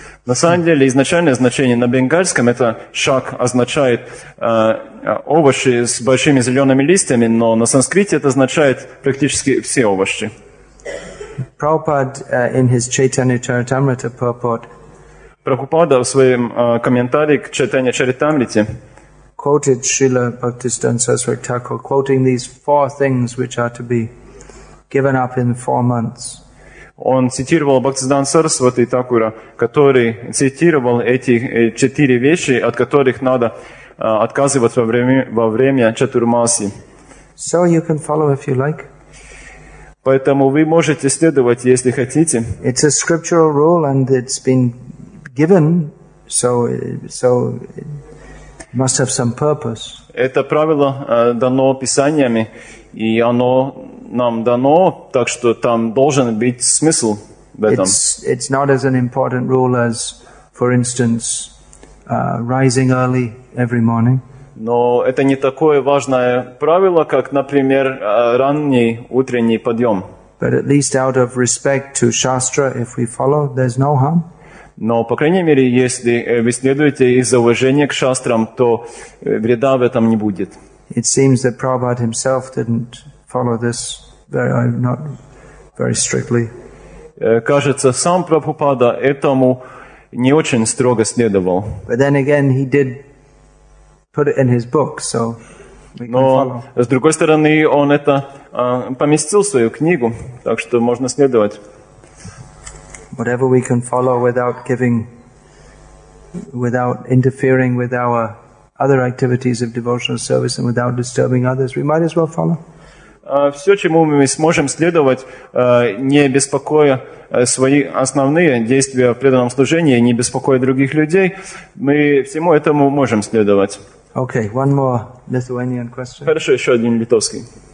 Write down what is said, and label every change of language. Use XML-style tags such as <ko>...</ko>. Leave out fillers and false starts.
<ru>На самом деле, изначальное значение на бенгальском это шак означает овощи с большими зелеными листьями, но на санскрите это означает практически все овощи.</ru> <en>Prabhupada in his Chaitanya Charitamrita purport.</en> <ru>Прабхупада в своем комментарии к Чайтанья Чаритамрите</ru> <en>quoted Srila Bhaktisiddhanta Saraswati Thakur, quoting these four things which are to be given up in 4 months.</en> <ru>Он цитировал Бхактисиддханта Сарасвати Такура, который цитировал эти четыре вещи, от которых надо отказываться во время Чатурмаси.</ru> <en>So you can follow if you like.</en> <ru>Поэтому вы можете следовать, если хотите.</ru> <en>It's a scriptural rule and it's been given, so it must have some purpose.</en> <ru>Это правило дано писаниями, и оно нам дано, так что там должен быть смысл в этом.</ru> <en>It's not as an important rule as, for instance, rising early every morning.</en> <ru>Но это не такое важное правило, как, например, ранний утренний подъем.</ru> <en>But at least out of respect to Shastra, if we follow, there's no harm.</en> <ru>Но, по крайней мере, если вы следуете из-за уважения к шастрам, то вреда в этом не будет.</ru> <en>It seems that Prabhupada himself didn't follow this not very strictly.</en> <ru>Кажется, сам Прабхупада этому не очень строго следовал.</ru> <en>But then again, he did put it in his book, so we can follow.</en> <ru>Но, с другой стороны, он это поместил в свою книгу, так что можно следовать.</ru> <en>Whatever we can follow without interfering with our other activities of devotional service and without disturbing others, we might as well follow.</en> <ru>Все, чему мы сможем следовать, не беспокоя свои основные действия в преданном служении, не беспокоя других людей, мы всему этому можем следовать.</ru> <en>Okay, one more Lithuanian question.</en> <ru>Хорошо, еще один литовский.</ru>